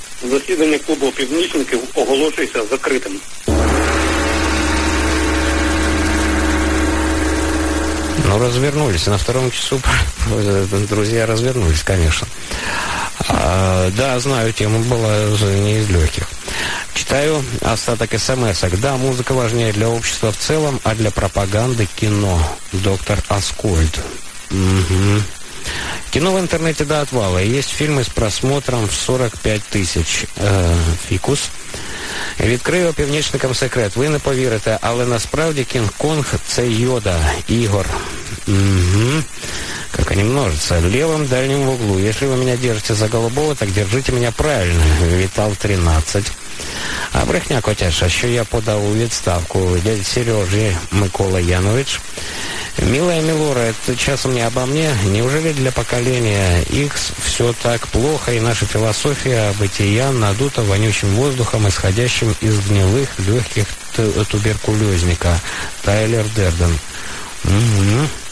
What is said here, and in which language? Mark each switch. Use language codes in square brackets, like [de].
[uk] Засідання клубу «Північників» оголошується закритим. Ну, розвернулися. На второму часу, друзі, розвернулися, звісно. Да, знаю, тема була не із легких. [ru] Читаю остаток смс-ок. Да, музыка важнее для общества в целом, а для пропаганды кино. Доктор Аскольд. Угу. Кино в интернете до отвала. Есть фильмы с просмотром в 45 тысяч. Фикус. [uk] Відкрию північникам секрет. Ви не повірите, але насправді Кінг-Конг – це Йода, Ігор. [ru] Угу. Как они множатся. Левым, дальнем в углу. Если вы меня держите за голубого, так держите меня правильно. Витал 13. [uk] А брехня, котяша, що я подав у відставку дяді Сережі Микола Янович. [ru] Милая Милора, это часом не обо мне. Неужели для поколения X все так плохо, и наша философия бытия надута вонючим воздухом, исходящим из гнилых легких туберкулезника? Тайлер Дерден. Угу.